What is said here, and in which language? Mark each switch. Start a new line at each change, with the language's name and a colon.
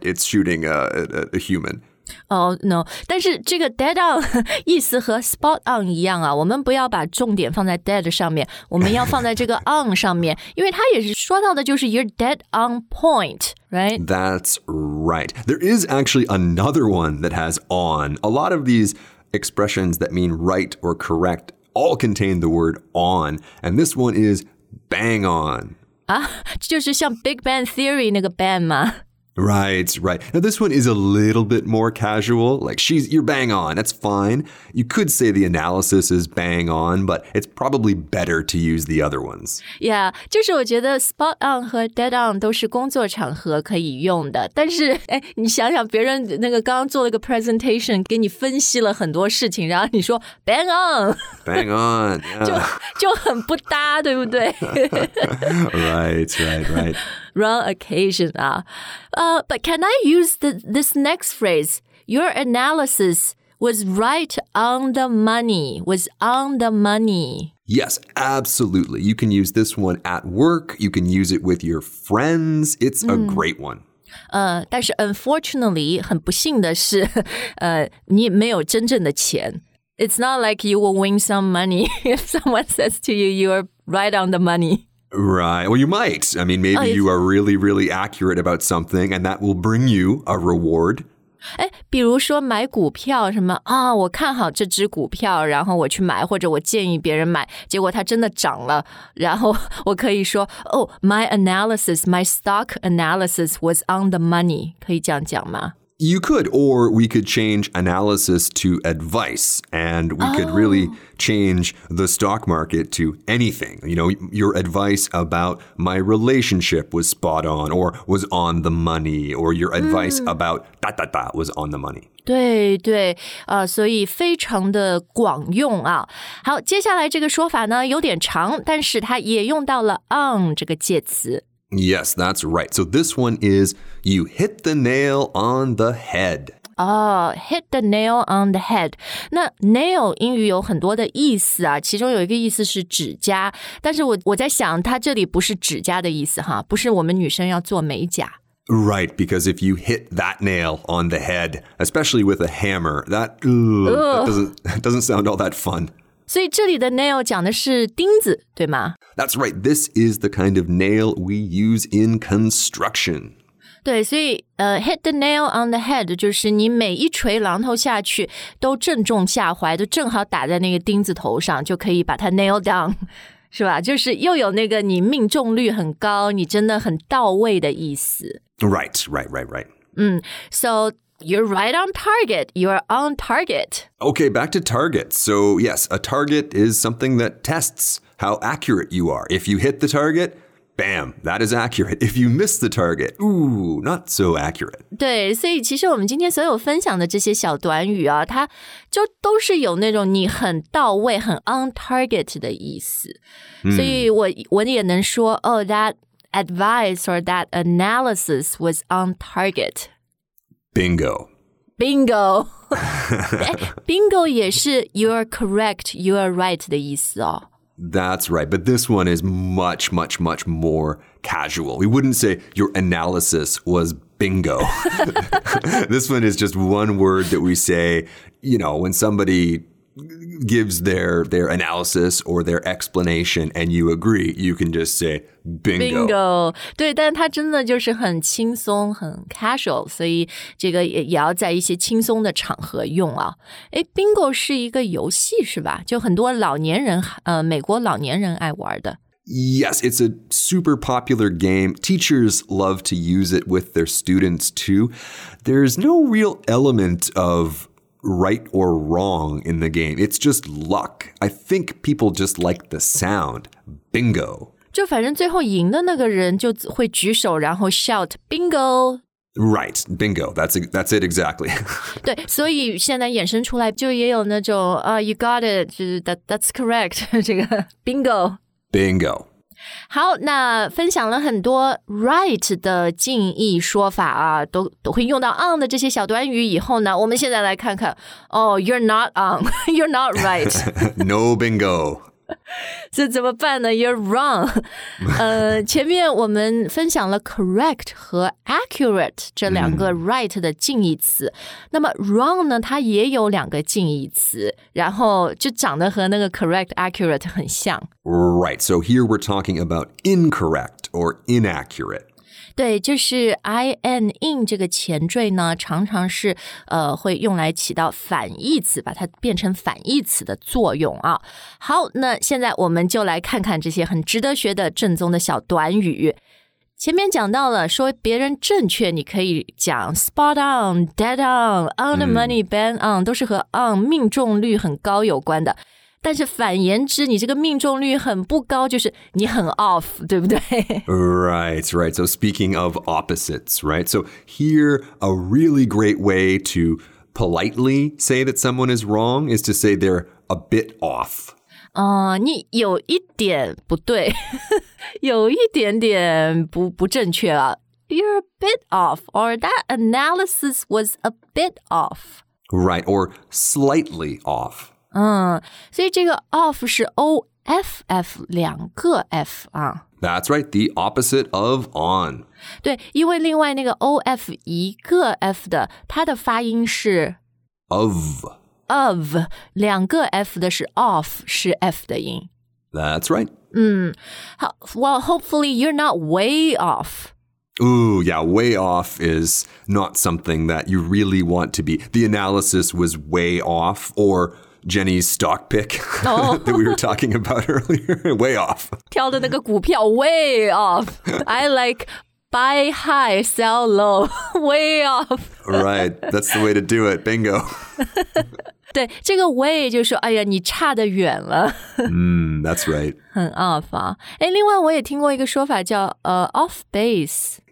English: It's shooting a human. Oh, no.
Chinese: 但是这个 dead on 意思和 spot on 一样啊。我们不要把重点放在 dead 上面。我们要放在这个 on 上面。因为它也是说到的就是
English: you're dead on point. Right? That's right. There is actually another one that has on. A lot of these expressions that mean right or correct all contain the word on. And this one is bang on. 啊，就是像 Big Bang Theory 那个 bang 吗? Right, right. Now this one is a little bit more casual. Like you're bang on. That's fine. You could say the analysis is bang on, but it's probably better to use the other ones.
Chinese: Yeah, 就是我觉得 spot on 和 dead on 都是工作场合可以用的。但是哎，你想想别人那个刚刚做了个 presentation， 给你分析了很多事情，然后你说 bang on，
English: bang on，
Chinese: 就很不搭，对不对？
English: Right, right, right. Wrong occasion, but can I use this next phrase? Your analysis was right on the money, was on the money. Yes, absolutely. You can use this one at work. You can use it with your friends. It's a great one.
Chinese: 但是 unfortunately, 很不幸的是你没有真正的钱。
English: It's not like you will win some money if someone says to you, you're right on the money. Right. Well, you might. I mean, maybe you are really, really accurate about something and that will bring you a reward.
Chinese: 比如说买股票什么我看好这只股票然后我去买或者我建议别人买结果它真的涨了然后我可以说
English: Oh, my stock analysis was on the money.
Chinese: 可以这样讲吗？
English: You could, or we could change analysis to advice, and we could really change the stock market to anything. You know, your advice about my relationship was spot on, or was on the money, or your advice about da-da-da was on the money.
Chinese: 对对，所以非常的广用啊。好，接下来这个说法呢，有点长，但是它也用到了 on 这个介词。
English: Yes, that's right. So this one is, you hit the nail on the head. Oh, hit the nail on the head.
Chinese: 那 nail 英语有很多的意思啊，其中有一个意思是指甲，但是我在想它这里不是指甲的意思哈，不是我们女生要做美甲。
English: Right, because if you hit that nail on the head, especially with a hammer, that doesn't sound all that fun.
Chinese: 所以这里的 nail 讲的是钉子，对吗？
English: That's right. This is the kind of nail we use in construction.
Chinese: 对，所以hit the nail on the head 就是你每一锤榔头下去都正中下怀，都正好打在那个钉子头上，就可以把它 nail down， 是吧？就是又有那个你命中率很高，你真的很到位的意思。
English: Right, right, right, right. So... You're right on target. You're on target. Okay, back to target. So, yes, a target is something that tests how accurate you are. If you hit the target, bam, that is accurate. If you miss the target, not so accurate.
Chinese: 对，所以其实我们今天所有分享的这些小短语啊，它就都是有那种你很到位、很 on target 的意思。所以我也能说，
English: oh, that advice or that analysis was on target. Bingo. Bingo.
Chinese: Bingo 也是
English: you're correct, you're right
Chinese: 的意思哦。
English: That's right, but this one is much, much, much more casual. We wouldn't say your analysis was bingo. This one is just one word that we say, you know, when somebody gives their analysis or their explanation and you agree, you can just say bingo. Bingo.
Chinese: 对，但它真的就是很轻松，很 casual, 所以这个也要在一些轻松的场合用啊。诶， bingo 是一个游戏是吧？就很多老年人，美国老年人爱玩的。
English: Yes, it's a super popular game. Teachers love to use it with their students too. There's no real element ofright or wrong in the game. It's just luck. I think people just like the sound. Bingo.
Chinese: 就反正最后赢的那个人就会举手然后 shout, bingo!
English: Right, bingo. That's it exactly.
Chinese: 对，所以现在衍生出来就也有那种
English: you got it, that's correct,
Chinese: 这个 bingo.
English: Bingo.
Chinese: 好，那分享了很多 right 的近义说法啊，都会用到 on 的这些小短语以后呢，我们现在来看看，
English: you're not on, you're not right. No bingo.
Chinese: 这怎么办呢？
English: You're wrong.
Chinese: 前面我们分享了 correct 和 accurate 这两个 right 的近义词，那么 wrong 呢，它也有两个近义词，然后就长得和那个 correct, accurate 很像。
English: Right, so here we're talking about incorrect or inaccurate.
Chinese: 对，就是 in, in 这个前缀呢，常常是会用来起到反义词，把它变成反义词的作用啊。好，那现在我们就来看看这些很值得学的正宗的小短语。前面讲到了说别人正确，你可以讲 spot on, dead on, on the money, bang on, 都是和 on 命中率很高有关的。但是反言之，你这个命中率很不高，就是你很 off, 对不对？
English: Right, right. So speaking of opposites, right? So here, a really great way to politely say that someone is wrong is to say they're a bit off.
Chinese: 你有一点不对，有一点点不正确啊。
English: You're a bit off, or that analysis was a bit off. Right, or slightly off.
Chinese: 所以这个 off 是 off, 两个 f 啊。
English: That's right, the opposite of on.
Chinese: 对，因为另外那个 off 一个 f 的，它的发音是
English: of。
Chinese: Of, 两个 F 的是 off, 是 F 的音。
English: That's right. 好, well, hopefully you're not way off. Ooh, yeah, way off is not something that you really want to be. The analysis was way off, or Jenny's stock pick that we were talking about earlier. Way off.
Chinese: 挑的那个股票 way off.
English: I like buy high, sell low, way off. Right, that's the way to do it. Bingo.
Chinese: 对，这个 way 就是说，哎呀，你差得远了。
English: that's right.
Chinese: 很 off 啊。哎，另外我也听过一个说法叫off base.